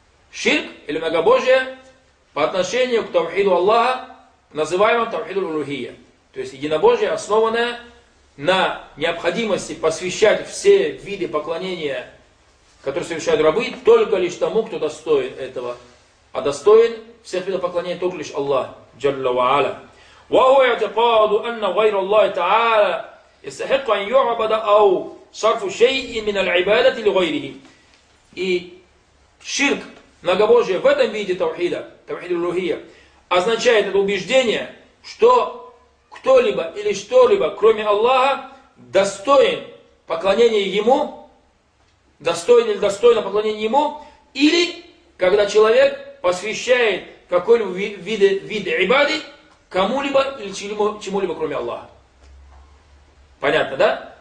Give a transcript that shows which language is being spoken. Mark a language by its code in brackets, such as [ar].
[ru] Ширк или многобожие по отношению к таухиду Аллаха, называемому таухиду улухия. То есть единобожие, основанное на необходимости посвящать все виды поклонения, которые совершают рабы, только лишь тому, кто достоин этого. А достоин всех видов поклонения только лишь Аллах, Джалла ва Аля. [ar] وهو يعتقد أن غير الله تعالى يستحق أن يعبد أو صرف شيء من العبادة لغيره. [ru] И ширк, многобожие в этом виде таухида, таухид улухия, означает это убеждение, что кто-либо или что-либо, кроме Аллаха, достоин поклонения Ему, достоин или достойно поклонения Ему, или когда человек посвящает какой-либо вид ибады кому-либо или чему-либо, кроме Аллаха. Понятно, да?